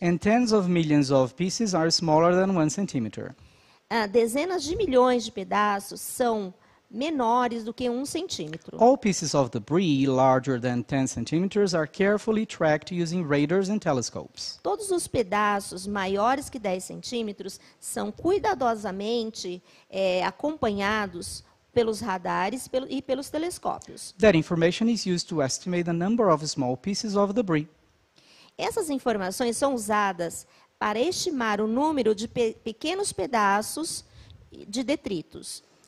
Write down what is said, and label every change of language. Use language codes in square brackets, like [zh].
[en] And tens of millions of pieces are smaller than 1 centimeter. [pt] Dezenas de milhões de pedaços são menores do que 1 centímetro. [en] All pieces of debris larger than 10 centimeters are carefully tracked using radars and telescopes. [pt] Todos os pedaços maiores que 10 centímetros são cuidadosamente acompanhados pelos radares e pelos telescópios. [en] That information is used to estimate the number of small pieces of debris. [pt] Essas informações são usadas para estimar o número de pequenos pedaços de detritos.